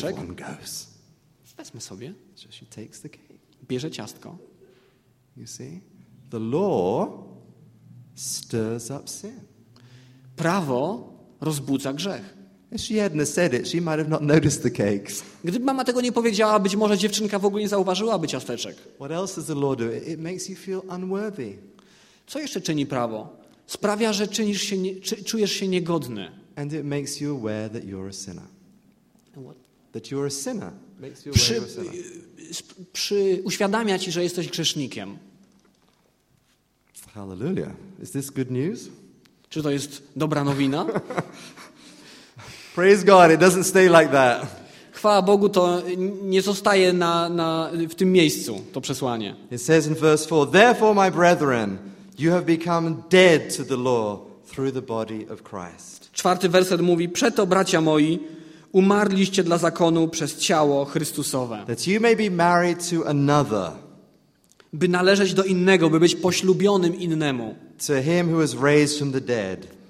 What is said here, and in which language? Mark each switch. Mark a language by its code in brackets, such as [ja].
[en] She won't notice if one goes. [pl] Wezmę sobie. [en] So she takes the cake. [pl] Bierze ciastko. [en] You see, the law stirs up sin. [pl] Prawo rozbudza grzech. [en] If she hadn't said it, she might have not noticed the cakes. [pl] Gdyby mama tego nie powiedziała, być może dziewczynka w ogóle nie zauważyłaby ciasteczek. [en] What else does the law do? It makes you feel unworthy. [pl] Co jeszcze czyni prawo? Sprawia, że czujesz się niegodny. [en] And it makes you aware that you're a sinner. What? That you're a sinner. Makes you aware that you're a sinner. [pl] Uświadamia ci, że jesteś grzesznikiem. [en] Hallelujah. Is this good news? [pl] Czy to jest dobra nowina? [en] Praise God, it doesn't stay like that. [pl] Chwała Bogu, to nie zostaje w tym miejscu, to przesłanie. [en] It says in verse 4, "Therefore, my brethren, you have become dead to the law through the body of Christ." [pl] Czwarty werset mówi, przeto, bracia moi, umarliście dla zakonu przez ciało Chrystusowe. [en] That you may be married to another. [pl] By należeć do innego, by być poślubionym innemu. [en] To him who was raised from the dead.